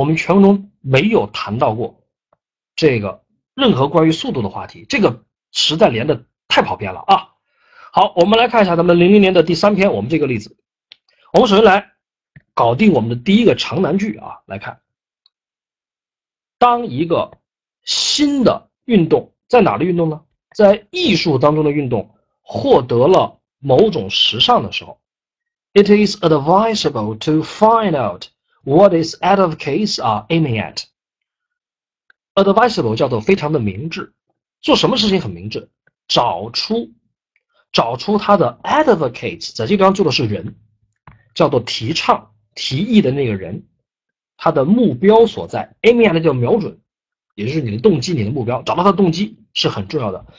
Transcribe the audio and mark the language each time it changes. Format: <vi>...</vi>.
<zh>我们全文中没有谈到过这个任何关于速度的话题，这个实在连的太跑偏了啊。好，我们来看一下咱们00年的第三篇，我们这个例子。我们首先来搞定我们的第一个长难句啊，来看，当一个新的运动，在哪的运动呢？在艺术当中的运动获得了某种时尚的时候，</zh> <en>It is advisable to find out what is out of case are aiming at.</en> <zh>Advisable 叫做非常的明智，做什么事情很明智，找出他的 advocate，在这个地方做的是人，叫做提倡、提议的那个人，他的目标所在，aim at 叫瞄准，也就是你的动机、你的目标，找到他的动机是很重要的。</zh>